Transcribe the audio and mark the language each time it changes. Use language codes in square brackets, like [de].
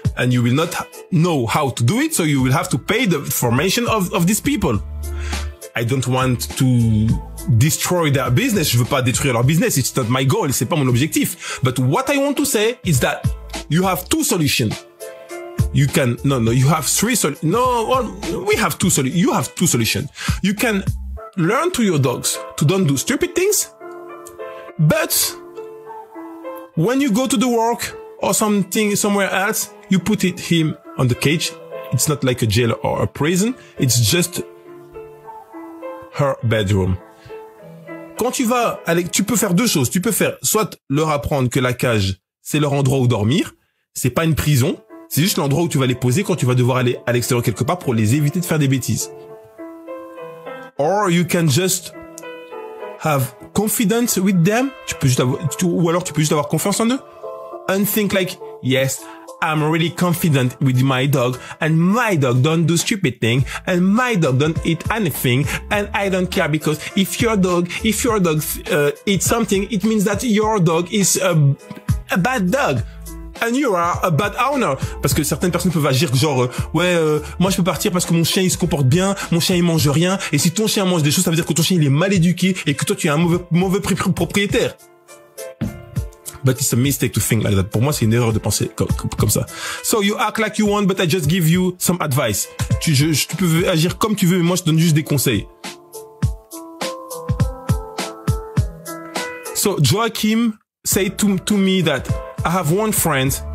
[en] And you will not know how to do it, so you will have to pay the formation of these people. I don't want to destroy their business. [fr] Je veux pas détruire leur business. [en] It's not my goal. [fr] C'est pas mon objectif. [en] But what I want to say is that you have two solutions. You can, no, you have three solutions. No, well, we have two solutions. You have two solutions. You can learn to your dogs to don't do stupid things. But when you go to the work or something somewhere else, you put him on the cage. It's not like a jail or a prison. It's just her bedroom. [fr] Quand tu vas aller, tu peux faire deux choses. Tu peux faire soit leur apprendre que la cage, c'est leur endroit où dormir. C'est pas une prison. C'est juste l'endroit où tu vas les poser quand tu vas devoir aller à l'extérieur quelque part pour les éviter de faire des bêtises. [en] Or you can just have confidence with them. [fr] Tu peux juste avoir confiance en eux. [en] And think like, yes, I'm really confident with my dog. And my dog don't do stupid thing. And my dog don't eat anything. And I don't care because if your dog eats something, it means that your dog is a bad dog. And you are a bad owner. [fr] Parce que certaines personnes peuvent agir genre, moi je peux partir parce que mon chien il se comporte bien, mon chien il mange rien, et si ton chien mange des choses, ça veut dire que ton chien il est mal éduqué et que toi tu es un mauvais propriétaire. [en] But it's a mistake to think like that. [fr] Pour moi c'est une erreur de penser comme ça. [en] So you act like you want, but I just give you some advice. [fr] Tu peux agir comme tu veux, mais moi je donne juste des conseils. [en] So Joachim said to me that I have one friend